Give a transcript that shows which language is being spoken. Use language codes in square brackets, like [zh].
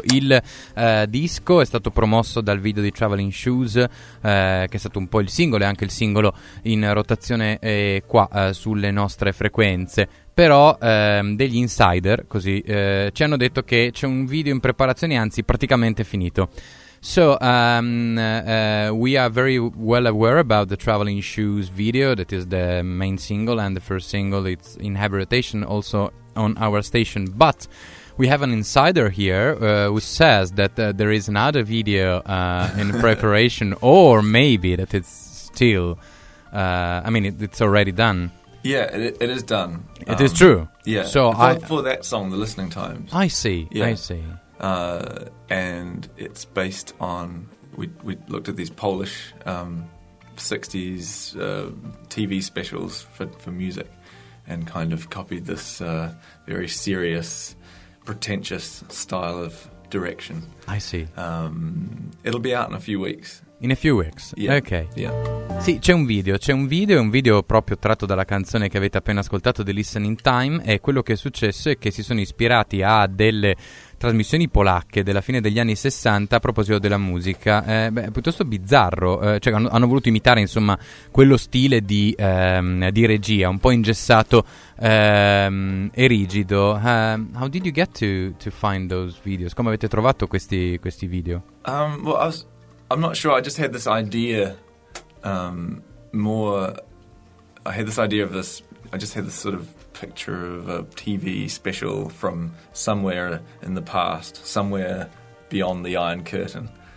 [it] Il disco è stato promosso dal video di Traveling Shoes, che è stato un po' il singolo e anche il singolo in rotazione qua sulle nostre frequenze. Però degli insider così ci hanno detto che c'è un video in preparazione, anzi praticamente finito. [en] So we are very well aware about the Traveling Shoes video that is the main single and the first single. It's in heavy rotation also on our station, but we have an insider here who says that there is another video in preparation, or maybe that it's still it's already done. Yeah, it is done. It is true. Yeah. So for that song, the listening times. I see. Yeah. I see. And it's based on we looked at these Polish 60s TV specials for music, and kind of copied this very serious, pretentious style of direction. I see. It'll be out in a few weeks. In a few weeks. Yeah. Okay. Yeah. [it] Sì, c'è un video, un video proprio tratto dalla canzone che avete appena ascoltato, The Listening Time, e quello che è successo è che si sono ispirati a delle trasmissioni polacche della fine degli anni 60 a proposito della musica. È piuttosto bizzarro, cioè hanno voluto imitare insomma quello stile di regia un po' ingessato e rigido. [en] How did you get to find those videos? [it] Come avete trovato questi video? [en] I'm not sure. I just had this idea I had this idea of this. I just had this sort of picture of a TV special from somewhere in the past, somewhere beyond the Iron Curtain.